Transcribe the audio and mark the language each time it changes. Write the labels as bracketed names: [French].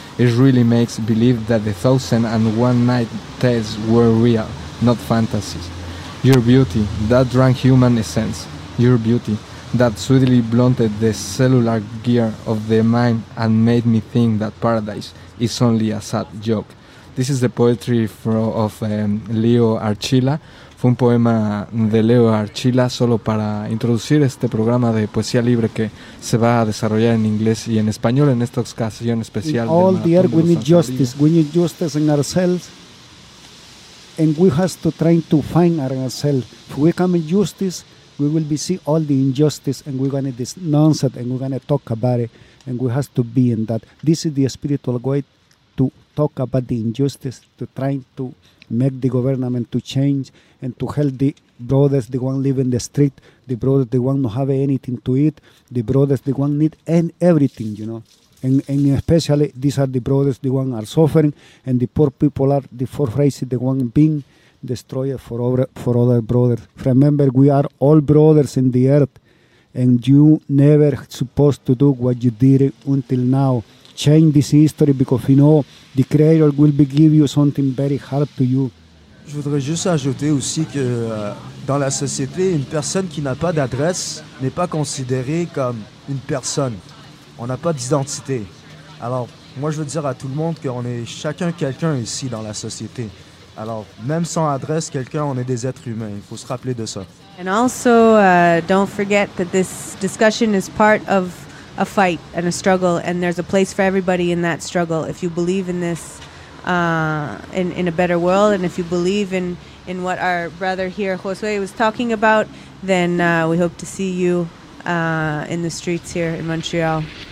[English] It really makes believe that the thousand and one night tales were real, not fantasies. Your beauty, that drank human essence. Your beauty, that sweetly blunted the cellular gear of the mind and made me think that paradise is only a sad joke. This is the poetry of Leo Archila. [Spanish] Fue un poema de Leo Archila solo para introducir este programa de poesía libre que se va a desarrollar en inglés y en español en esta ocasión especial. [English] In all the earth, we need justice in ourselves, and we have to try to find ourselves. If we come in justice, we will be see all the injustice, and we're going to denounce it, and we're going to talk about it, and we have to be in that. This is the spiritual way to talk about the injustice, to try to make the government to change and to help the brothers, the one living the street, the brothers, the one no have anything to eat, the brothers, the one need and everything, you know. And especially these are the brothers, the one are suffering, and the poor people are the four races, the one being destroyed for other brothers. Remember, we are all brothers in the earth, and you never supposed to do what you did until now. Change this history, because you know the creator will be give you something very hard to you. [French] Je voudrais juste ajouter aussi que dans la société, une personne qui n'a pas d'adresse n'est pas considérée comme une personne. On n'a pas d'identité. Alors, moi je veux dire à tout le monde qu'on est chacun quelqu'un ici dans la société. Alors, même sans adresse, quelqu'un, on est des êtres humains. Il faut se rappeler de ça. [English] And also, don't forget that this discussion is part of a fight and a struggle, and there's a place for everybody in that struggle. If you believe in this, in a better world, and if you believe in what our brother here, Josue, was talking about, then we hope to see you in the streets here in Montreal.